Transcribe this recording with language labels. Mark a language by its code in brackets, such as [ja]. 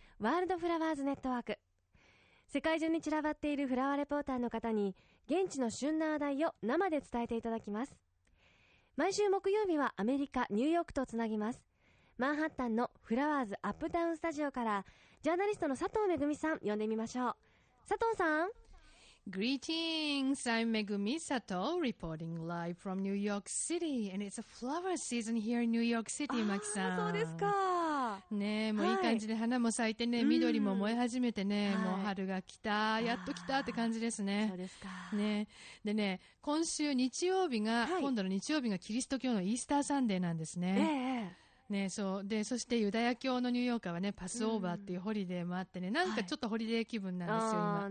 [ja] ワールドフラワーズネットワーク。世界中に散らばっているフラワーレポーターの方に現地の旬な話題を生で伝えていただきます。毎週木曜日はアメリカ・ニューヨークとつなぎます。マンハッタンのフラワーズアップタウンスタジオからジャーナリストの佐藤めぐみさん呼んでみましょう。佐藤さん。 [en] Greetings, I'm Megumi Sato, reporting live from New York City, and it's a flower season here in New York City, Maki-san. [ja] そうですか。ねえ、もういい感じで花も咲いてね、緑も燃え始めてね、もう春が来た、やっと来たって感じですね。そうですか。ねえ、でね、今週日曜日が、今度の日曜日がキリスト教のイースターサンデーなんですね。ねえ、そう。で、そしてユダヤ教のニューヨーカーはね、パスオーバーっていうホリデーもあってね、なんかちょっとホリデー気分なんですよ、今。